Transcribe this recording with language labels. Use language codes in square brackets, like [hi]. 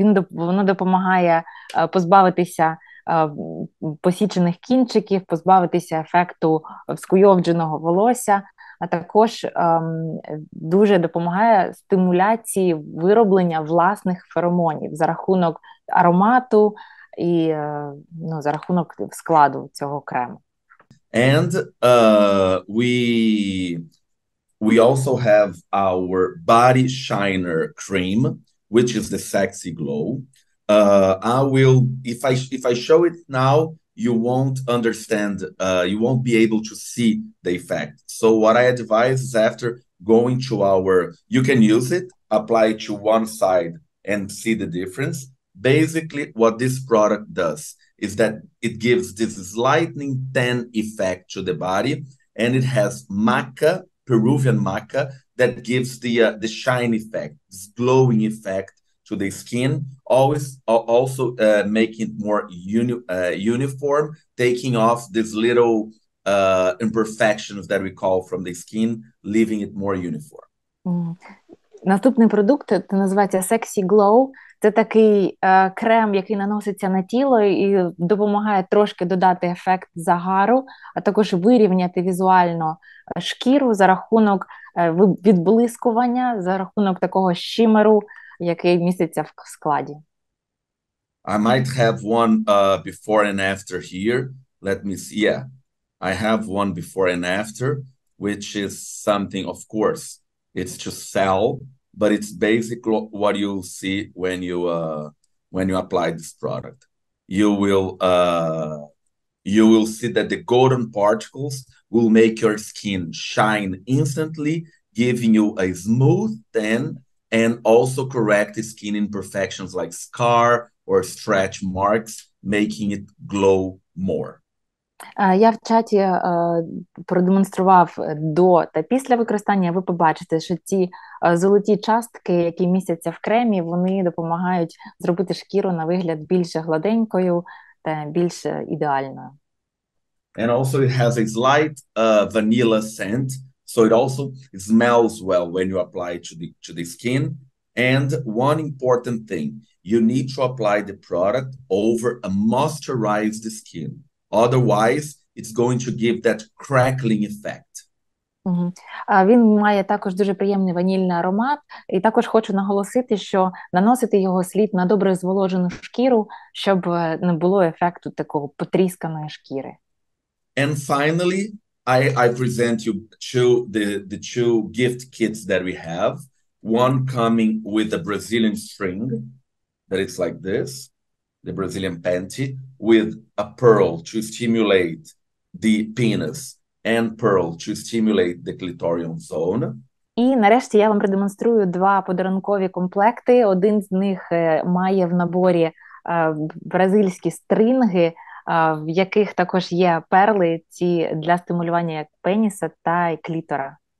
[uk] Воно допомагає позбавитися посічених кінчиків, позбавитися ефекту скуйовдженого волосся, а також дуже допомагає стимуляції вироблення власних феромонів за рахунок аромату і за рахунок складу цього крему. [en] And we also have our body shiner cream, which is the sexy glow. If I show it now, you won't understand, you won't be able to see the effect. So what I advise is after going to our, you can use it, apply it to one side and see the difference. Basically, what this product does is that it gives this lightning tan effect to the body, and it has maca Peruvian maca that gives the shine effect, this glowing effect to the skin, always also making it more uniform, taking off this little imperfections that we call from the skin, leaving it more uniform. [uk] Наступний продукт називається Sexy Glow. Це такий крем, який наноситься на тіло і допомагає трошки додати ефект загару, а також вирівняти візуально шкіру за рахунок відблискування, за рахунок такого шимеру, який міститься в складі. [en] I might have one before and after here. Let me see. Yeah, I have one before and after, which is something, of course, it's to sell, but it's basically what you see when you apply this product. You will see that the golden particles will make your skin shine instantly, giving you a smooth tan and also correct the skin imperfections like scar or stretch marks, making it glow more. [uk] Я в чаті продемонстрував до та після використання. Ви побачите, що ці золоті частки, які містяться в кремі, вони допомагають зробити шкіру на вигляд більш гладенькою та більш ідеальною. [en] And also it has a slight vanilla scent, so it also smells well when you apply it to the skin. And one important thing, you need to apply the product over a moisturized skin. Otherwise, it's going to give that crackling effect. [uk] Він має також дуже приємний ванільний аромат. І також хочу наголосити, що наносити його слід на добре зволожену шкіру, щоб не було ефекту такого потрісканої шкіри. [en] And finally, I present you two gift kits that we have. One coming with a Brazilian string, that it's like this, the Brazilian panty, with a pearl to stimulate the penis and pearl to stimulate the clitoral zone. [uk] І нарешті я вам продемонструю два подарункові комплекти. Один з них має в наборі бразильські стринги, в яких також є перли ці для стимулювання як пеніса та клітора.